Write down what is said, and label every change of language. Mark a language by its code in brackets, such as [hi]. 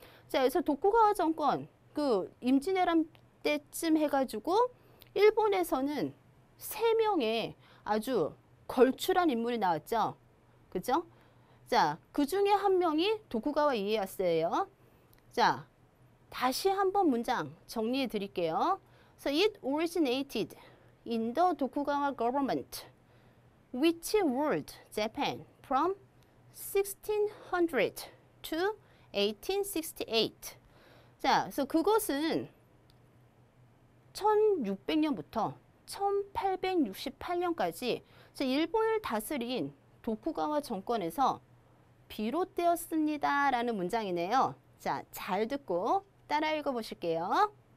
[ko] 자, 그래서 도쿠가와 정권 그 임진왜란 때쯤 해가지고 일본에서는 세 명의 아주 걸출한 인물이 나왔죠. 그죠? 자, 그 중에 한 명이 도쿠가와 이에야스예요. 자, 다시 한번 문장 정리해 드릴게요. [en] So it originated in the Tokugawa government, which ruled Japan from 1600 to 1868. [ko] 자, 그래서 그것은 1600년부터 1868년까지 일본을 다스린 도쿠가와 정권에서 비롯되었습니다 라는 문장이네요. 자, 잘 듣고 따라 읽어보실게요.